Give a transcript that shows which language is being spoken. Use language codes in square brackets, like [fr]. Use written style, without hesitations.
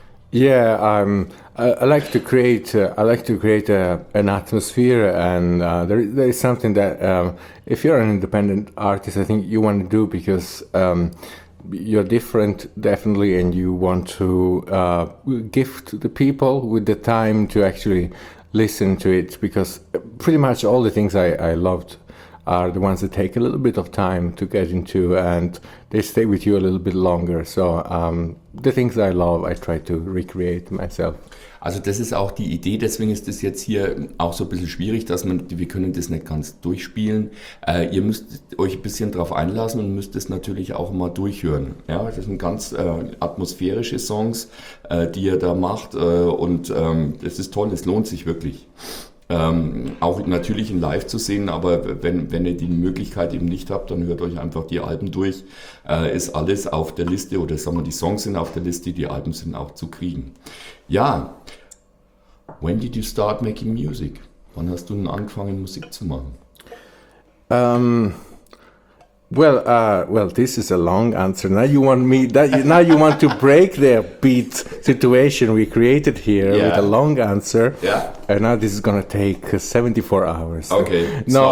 [en] Yeah, I like to create an atmosphere, and there is something that if you're an independent artist, I think you want to do, because you're different definitely, and you want to gift the people with the time to actually listen to it, because pretty much all the things I loved are the ones that take a little bit of time to get into, and they stay with you a little bit longer. So the things I love, I try to recreate myself. [de] Also das ist auch die Idee, deswegen ist das jetzt hier auch so ein bisschen schwierig, dass wir können das nicht ganz durchspielen. Ihr müsst euch ein bisschen drauf einlassen und müsst es natürlich auch mal durchhören. Ja, das sind ganz atmosphärische Songs, die ihr da macht, und es ist toll, es lohnt sich wirklich. Auch natürlich in live zu sehen, aber wenn ihr die Möglichkeit eben nicht habt, dann hört euch einfach die Alben durch. Ist alles auf der Liste, oder sagen wir, die Songs sind auf der Liste, die Alben sind auch zu kriegen. [en] Ja, when did you start making music? [de] Wann hast du denn angefangen, Musik zu machen? [en] Well, this is a long answer. Now you want to break the beat situation we created here with a long answer. Yeah. And now this is gonna take 74 hours. Okay.